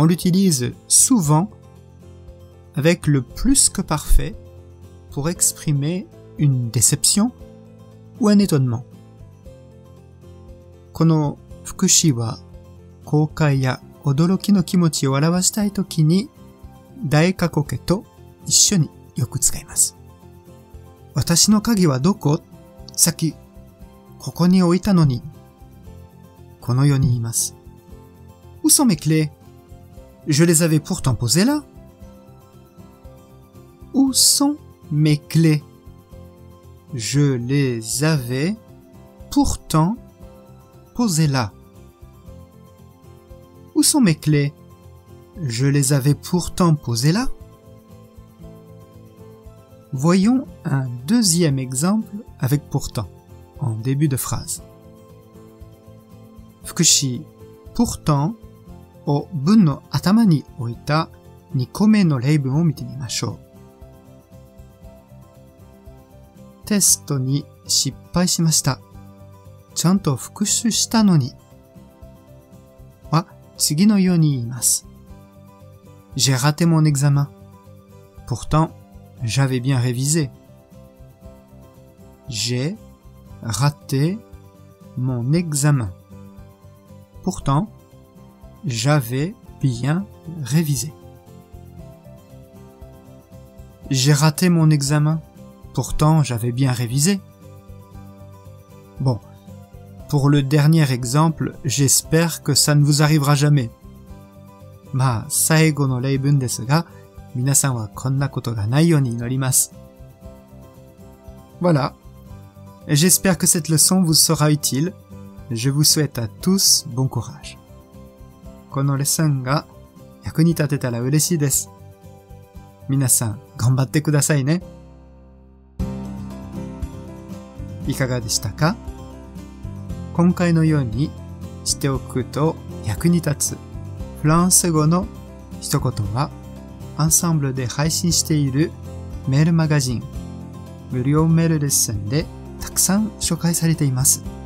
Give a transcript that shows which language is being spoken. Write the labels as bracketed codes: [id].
[fr] On l'utilise souvent avec le plus que parfait pour exprimer une déception ou un étonnement. [ja] この副詞は後悔や驚きの気持ちを表したいときに大過去形と一緒によく使います。私の鍵はどこ？さっきここに置いたのに。このように言います。 [fr] Où sont mes clés? Je les avais pourtant posées là. Où sont mes clés? Je les avais pourtant posées là. Où sont mes clés? Je les avais pourtant posées là. Voyons un deuxième exemple avec pourtant en début de phrase. [ja] 副詞 pourtant を文の頭に置いた2個目の例文を見てみましょう。テストに失敗しました。ちゃんと復習したのに。次のように言います。 [fr] J'ai raté mon examen. Pourtant, j'avais bien révisé. J'ai raté mon examen. Pourtant, j'avais bien révisé. J'ai raté mon examen. Pourtant, j'avais bien révisé. Bon. Pour le dernier exemple, j'espère que ça ne vous arrivera jamais. [ja] まあ、最後の例文ですが、皆さんはこんなことがないように祈ります。 [fr] Voilà. J'espère que cette leçon vous sera utile. Je vous souhaite à tous bon courage. [ja] このレッスンが役に立てたら嬉しいです。皆さん、頑張ってくださいね。いかがでしたか?今回のように知っておくと役に立つフランス語の一言はアンサンブルで配信しているメールマガジン無料メールレッスンでたくさん紹介されています。